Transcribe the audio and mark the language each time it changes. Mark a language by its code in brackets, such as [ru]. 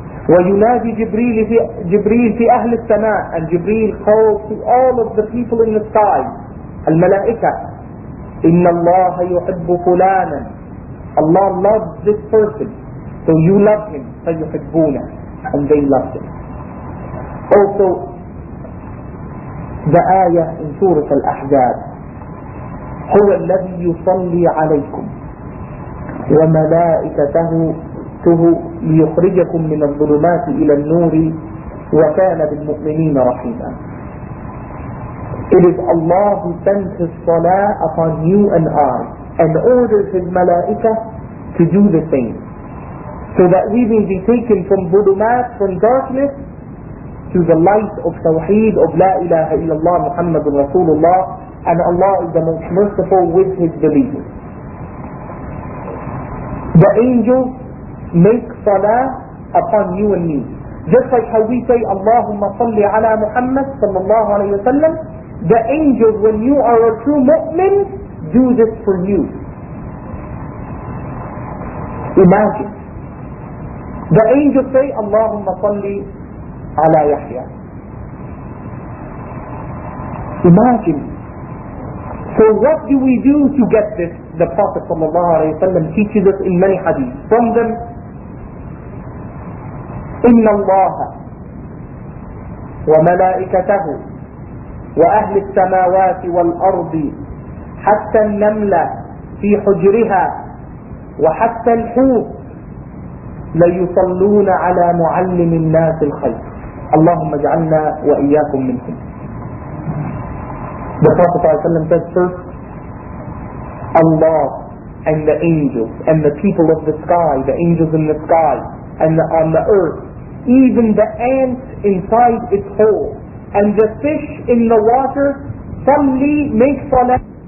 [ar] وينادي جبريل في جبريل في أهل السماء. [en] And Jibreel calls to all of the people in the sky, الملائكة. [ar] إن الله يحب فلانا. [en] Allah loves this person, so you love him. فيحبونا. And they love him. Also, the ayah in Surah Al-Ahzab, [ar] هو الذي يصلي عليكم وملائكته ليخرجكم من الظلمات إلى النور وكان بالمؤمنين رحيما. [en] It is Allah who sends His salah upon you and I, and orders His malaika to do the same. so that we may be taken from dhulumat, from darkness, to the light of tawheed, of la ilaha illallah Muhammadun Rasulullah, and Allah is the most merciful with his believers. The angels make salah upon you and me. Just like how we say Allahumma salli ala Muhammad sallallahu alayhi wa sallam, the angels, when you are a true mu'min, do this for you. Imagine. The angels say Allahumma salli ala Yahya. Imagine. So what do we do to get this? The Prophet sallallahu alayhi wa sallam teaches us in many hadith. From them, [ar] إن الله وملائكته وأهل السماوات والأرض حتى النملة في حجرها وحتى الحوت ليصلون على معلم الناس الخير. اللهم اجعلنا وإياكم منهم. [en] The Prophet صلى الله عليه وسلم said first, Allah and the angels and the people of the sky, the angels in the sky and on the earth, even the ants inside its hole, and the fish in the water, suddenly make salah.